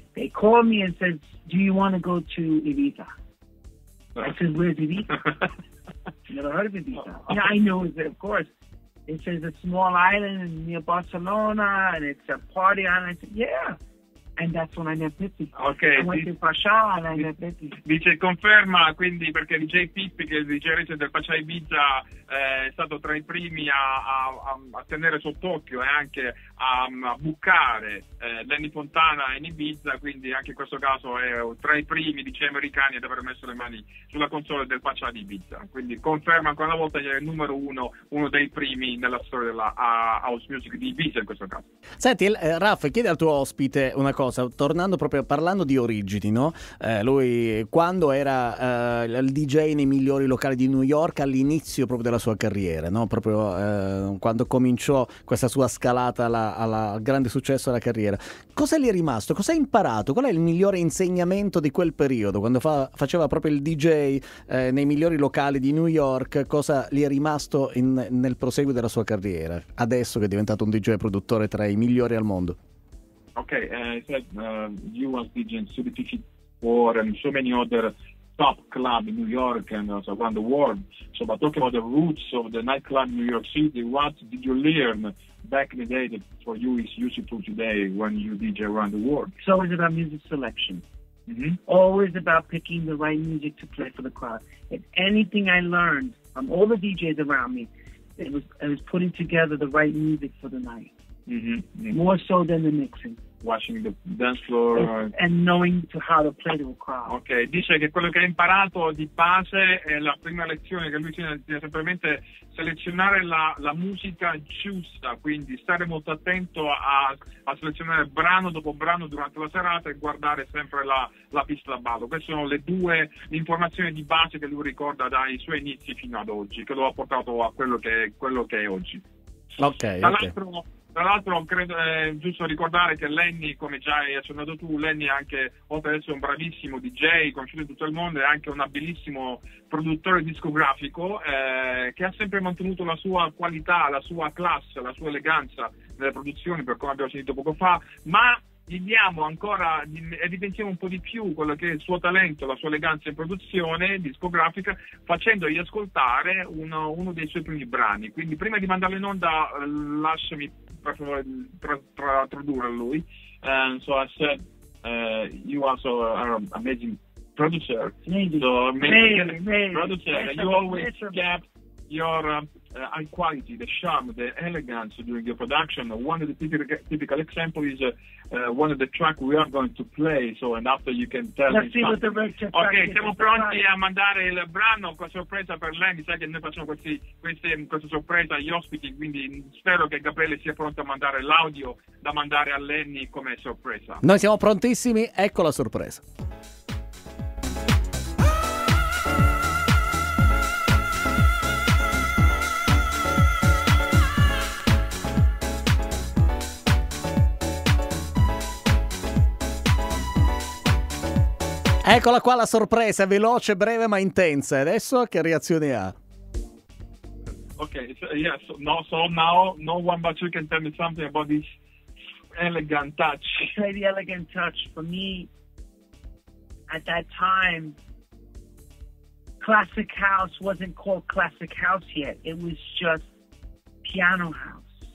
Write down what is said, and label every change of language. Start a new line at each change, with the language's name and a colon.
English: They called me and said, do you want to go to Ibiza? I said, where's Ibiza? Never heard of Ibiza. Yeah, I know, of course. It says a small island near Barcelona, and it's a party island. I said, yeah. And that's when I met Pippi. Okay. I went to Pacià and I met Pippi.
Italian: Dice, conferma, quindi, perché DJ Pippi, che è il DJ recente del Pacià Ibiza, è stato tra i primi a tenere sott'occhio e anche a bucare Lenny Fontana in Ibiza, quindi anche in questo caso è tra i primi DJ americani ad aver messo le mani sulla console del Pacià di Ibiza. Quindi conferma ancora una volta che è il numero uno dei primi nella storia della house music di Ibiza in questo caso. Senti, Raff, chiedi al tuo ospite una cosa, tornando proprio, parlando di origini, no? Lui quando era il DJ nei migliori locali di New York all'inizio proprio della sua carriera, no? Proprio quando cominciò questa sua scalata alla grande successo della carriera, cosa gli è rimasto? Cosa ha imparato? Qual è il migliore insegnamento di quel periodo, quando faceva proprio il DJ nei migliori locali di New York? Cosa gli è rimasto nel proseguo della sua carriera, adesso che è diventato un DJ produttore tra i migliori al mondo?
English: Ok, you as DJ in Studio 54 and so many other top club in New York and around the world. So, but talking about the roots of the nightclub in New York City, what did you learn back in the day that for you is useful today when you DJ around the world? It's always about music selection. Mm-hmm. Always about picking the right music to play for the crowd. If anything I learned from all the DJs around me, it was putting together the right music for the night. Mm-hmm. Mm-hmm. More so than the mixing. Watching the dance floor and knowing to how to play the crowd.
Italian: Ok, dice che quello che ha imparato di base è la prima lezione che lui ci ha semplicemente selezionare la musica giusta, quindi stare molto attento a selezionare brano dopo brano durante la serata e guardare sempre la pista da ballo. Queste sono le due informazioni di base che lui ricorda dai suoi inizi fino ad oggi, che lo ha portato a quello che è oggi. Ok. Tra l'altro credo giusto ricordare che Lenny, come già hai accennato tu, Lenny è anche, oltre ad essere un bravissimo DJ conosciuto in tutto il mondo, è anche un abilissimo produttore discografico che ha sempre mantenuto la sua qualità, la sua classe, la sua eleganza nelle produzioni, per come abbiamo sentito poco fa, ma diamo ancora, evidenziamo un po' di più quello che è il suo talento, la sua eleganza in produzione discografica, facendogli ascoltare uno dei suoi primi brani. Quindi prima di mandarlo in onda, lasciami per favore tradurre lui.
English: And so I said, you also are an amazing producer. Maybe. So amazing producer. You always kept your high quality, the charm, the elegance during the production. One of the typical example is one of the track we are going to play. So, and after you can tell Let's me. See what the
Italian: okay, siamo pronti a mandare il brano con sorpresa per lei. Mi sa che noi facciamo questa sorpresa agli ospiti. Quindi spero che Gabriele sia pronto a mandare l'audio da mandare a Lenny come sorpresa. Noi siamo prontissimi. Ecco la sorpresa. Eccola qua la sorpresa, veloce, breve ma intensa. Adesso che reazione ha?
English: Ok, yes, no, so now no one but you can tell me something about this elegant touch. Very elegant touch for me at that time. Classic house wasn't called classic house yet. It was just piano house.